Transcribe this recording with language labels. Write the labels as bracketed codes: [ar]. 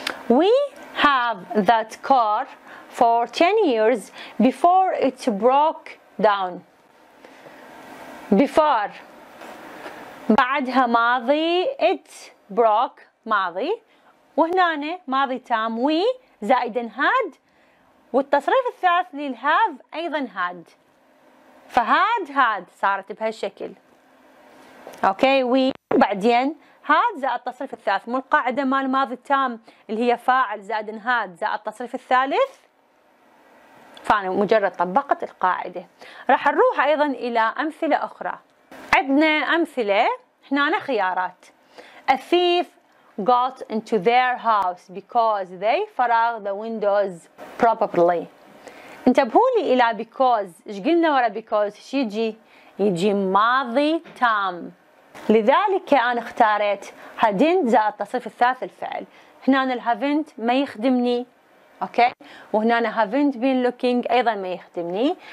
[en] We have that car for 10 years before it broke down. Before [ar] بعدها ماضي [en] it broke [ar] ماضي وهنا ماضي تام [en] we [ar] زائدا [en] had [ar] والتصريف الثالث للهاف ايضا had فهاد هاد صارت بهالشكل. اوكي وي بعدين هاد زائد التصريف الثالث مو القاعده مال الماضي التام اللي هي فاعل زائد هاد زائد التصريف الثالث. فانا مجرد طبقت القاعده راح نروح ايضا الى امثله اخرى. عندنا امثله هنا خيارات. [en] A thief got into their house because they forgot the windows properly. [ar] انتبهوا لي الى [en] because. [ar] ايش قلنا ورا [en] because؟ [ar] ايش يجي؟ يجي ماضي تام. لذلك انا اختاريت [en] hadn't [ar] زائد التصريف الثالث الفعل. هنا انا [en] haven't [ar] ما يخدمني. اوكي؟ وهنا انا [en] haven't been looking [ar] ايضا ما يخدمني.